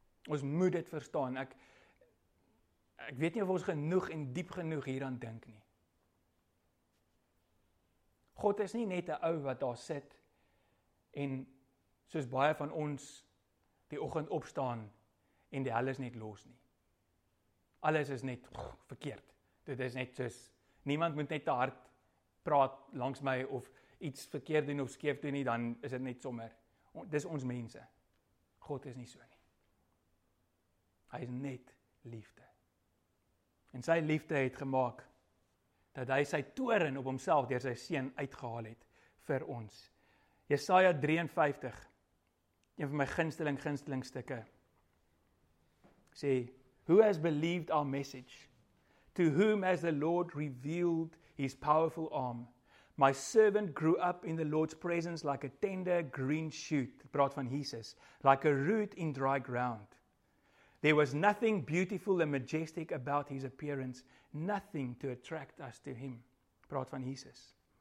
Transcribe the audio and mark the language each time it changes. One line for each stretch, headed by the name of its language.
Afrikaans: Ons moet dit verstaan. Ek weet nie of ons genoeg en diep genoeg hieraan dink nie. God is nie net 'n ou wat daar sit en soos baie van ons die oggend opstaan en die hel is net los nie. Alles is net verkeerd. Dit is net soos, niemand moet net te hard praat langs my of iets verkeerd doen of skeef doen nie, dan is dit net sommer. Dis ons mense. God is nie so nie. Hy is net liefde. En sy liefde het gemaak dat hy sy toorn op homself deur sy seun uitgehaal het vir ons. Jesaja 53, een van my gunsteling stukke, sê,
English: who has believed our message? To whom has the Lord revealed his powerful arm? My servant grew up in the Lord's presence like a tender green shoot,
Afrikaans: praat van Jesus,
English: like a root in dry ground. There was nothing beautiful and majestic about his appearance, nothing to attract us to him,
Afrikaans: praat van Jesus.